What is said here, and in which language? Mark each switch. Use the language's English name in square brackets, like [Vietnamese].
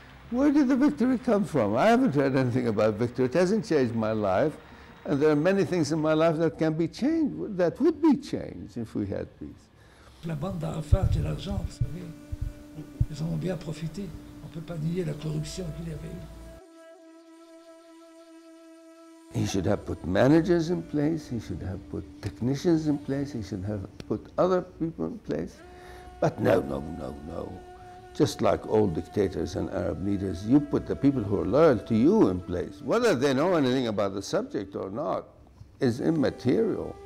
[English] Where did the victory come from? I haven't heard anything about victory. It hasn't changed my life. And there are many things in my life that can be changed, that would be changed if we had peace. [French] La bande d'Arafat, de l'argent, vous savez. Ils en ont bien profité. On ne peut pas nier la corruption qu'il y avait eu. [English] He should have put managers in place, he should have put technicians in place, he should have put other people in place. But no. Just like old dictators and Arab leaders, you put the people who are loyal to you in place. Whether they know anything about the subject or not is immaterial.